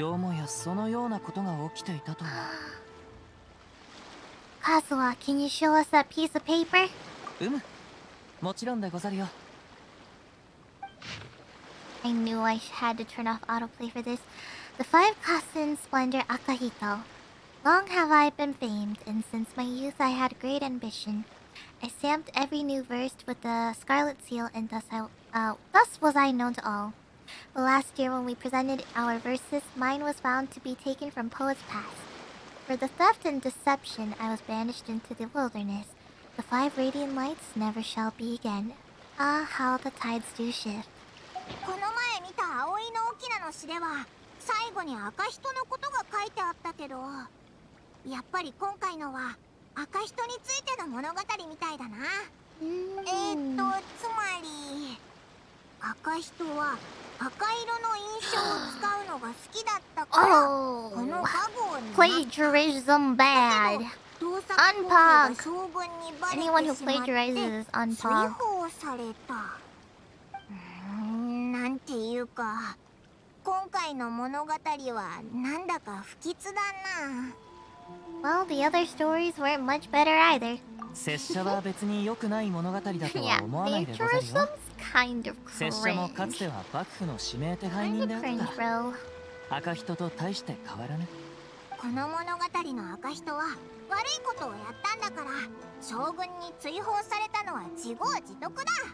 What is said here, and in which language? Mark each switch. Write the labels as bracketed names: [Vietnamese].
[Japanese] よもやそのようなことが起きていたとは。 [English] Kazuha, can you show us that piece of paper? [Japanese] うむ、もちろんでござるよ。 [English] I knew I had to turn off autoplay for this. The Five Kasen Splendor Akahito. Long have I been famed, and since my youth I had great ambition. I stamped every new verse with the scarlet seal, and thus was I known to all. But last year, when we presented our verses, mine was found to be taken from poets past. For the theft and deception, I was banished into the wilderness. The five radiant lights never shall be again. Ah, how the tides do shift. [Japanese] この前見た葵の翁の詩では、最後に赤人のことが書いてあったけど、やっぱり今回のは、赤人についての物語みたいだな。つまり赤人は赤色の印象を使うのが好きだったから、このバグを狙った。 [English] Plagiarism bad. Unpog. Anyone who plagiarizes is unpog. [Japanese] 追放された。なんていうか、今回の物語はなんだか不吉だな。 [English] Well, the other stories weren't much better either. [Japanese] 拙者は別に良くない物語だとは思わないでござるよ。 [English] Kind of cringe. [Japanese] 拙者もかつては幕府の指名手配人であった。 [English] Kind of cringe, bro. [Japanese] 赤人と大して変わらぬ。この物語の赤人は悪いことをやったんだから、将軍に追放されたのは自業自得だ。